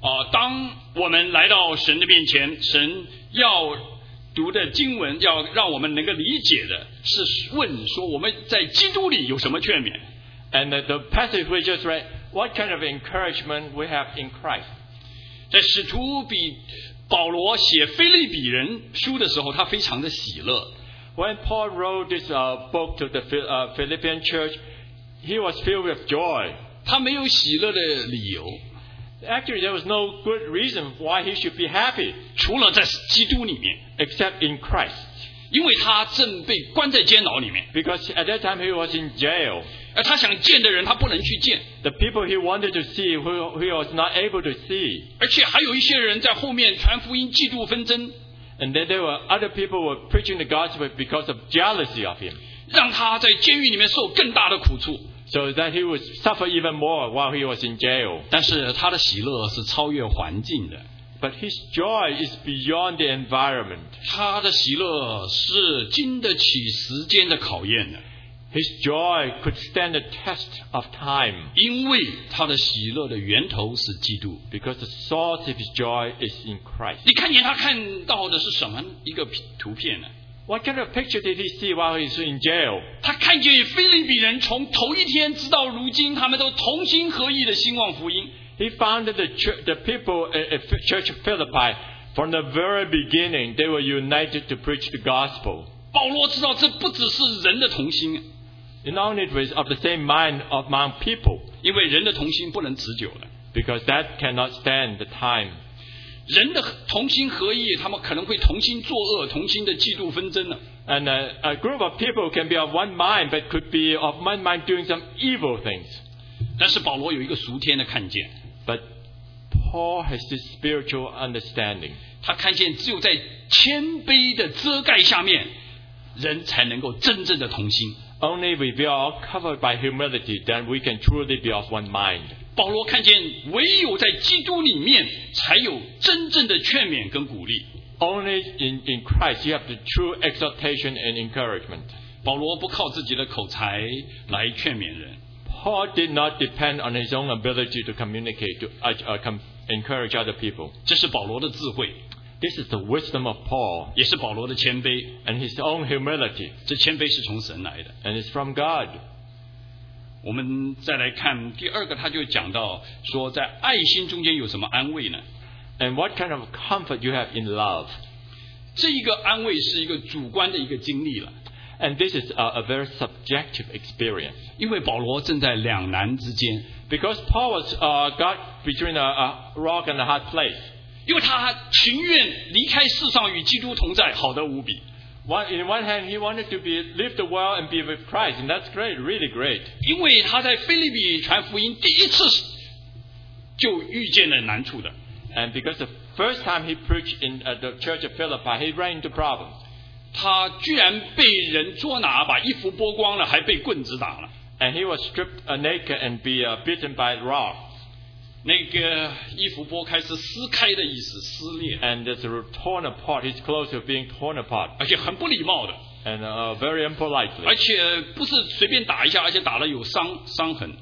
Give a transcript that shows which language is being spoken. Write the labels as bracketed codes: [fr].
[zh] 当我们来到神的面前，神要读的经文要让我们能够理解的是问说我们在基督里有什么劝勉。 [en] And the passage we just read, what kind of encouragement we have in Christ? [zh] 在使徒比保罗写腓立比人书的时候，他非常的喜乐。 [en] When Paul wrote this book to the Philippian church, he was filled with joy. [zh] 他没有喜乐的理由。 [en] Actually, there was no good reason why he should be happy. [zh] 除了在基督里面。 [en] Except in Christ. [zh] 因为他正被关在监牢里面。 [en] Because at that time he was in jail. [zh] 而他想见的人他不能去见。 [en] The people he wanted to see, he was not able to see. [zh] 而且还有一些人在后面传福音嫉妒纷争。 [en] And then there were other people who were preaching the gospel because of jealousy of him. [zh] 让他在监狱里面受更大的苦处。 [en] So that he would suffer even more while he was in jail. [zh] 但是他的喜乐是超越环境的。 [en] But his joy is beyond the environment. [zh] 他的喜乐是经得起时间的考验的。 [en] His joy could stand the test of time. [zh] 因为他的喜乐的源头是基督。 [en] Because the source of his joy is in Christ. [zh] 你看见他看到的是什么一个图片呢？ [en] What kind of picture did he see while he's in jail? [zh] 他看见腓立比人从头一天直到如今，他们都同心合意的兴旺福音。 [en] He found that the people at Church of Philippi from the very beginning they were united to preach the gospel. [zh] 保罗知道这不只是人的同心。 [en] And not only it was of the same mind among people. [zh] 因为人的同心不能持久的。 [en] Because that cannot stand the time. [zh] 人的同心合意，他们可能会同心作恶，同心的嫉妒纷争呢。 [en] And a group of people can be of one mind, but could be of one mind doing some evil things. [zh] 但是保罗有一个属天的看见。 [en] But Paul has this spiritual understanding. [zh] 他看见只有在谦卑的遮盖下面，人才能够真正的同心。 [en] Only if we are covered by humility, then we can truly be of one mind. [zh] 保罗看见唯有在基督里面才有真正的劝勉跟鼓励。 [en] Only in Christ you have the true exhortation and encouragement. [zh] 保罗不靠自己的口才来劝勉人。 [en] Paul did not depend on his own ability to communicate to encourage other people. [zh] 这是保罗的智慧。 [en] This is the wisdom of Paul. [zh] 也是保罗的谦卑。 [en] And his own humility. [zh] 这谦卑是从神来的。 [en] And it's from God. [zh] 我们再来看第二个，他就讲到说，在爱心中间有什么安慰呢 [en] ？And what kind of comfort you have in love？ [zh] 这一个安慰是一个主观的一个经历了。 [en] And this is a very subjective experience。 [zh] 因为保罗正在两难之间 [en] ，because Paul was got between a rock and a hard place。 [zh] 因为他情愿离开世上与基督同在，好得无比。 [en] In one hand, he wanted to live the world and be with Christ, and that's great, really great. [zh] 因为他在腓立比传福音第一次就遇见了难处的。 [en] And because the first time he preached in the church of Philippi, he ran into problems. [zh] 他居然被人捉拿，把衣服剥光了，还被棍子打了。 [en] And he was stripped naked and be beaten by rocks. [zh] 那个衣服剥开是撕开的意思，撕裂。 [en] And it's torn apart. His clothes were being torn apart. [zh] 而且很不礼貌的。 [en] And very impolite. [zh] 而且不是随便打一下，而且打了有伤痕。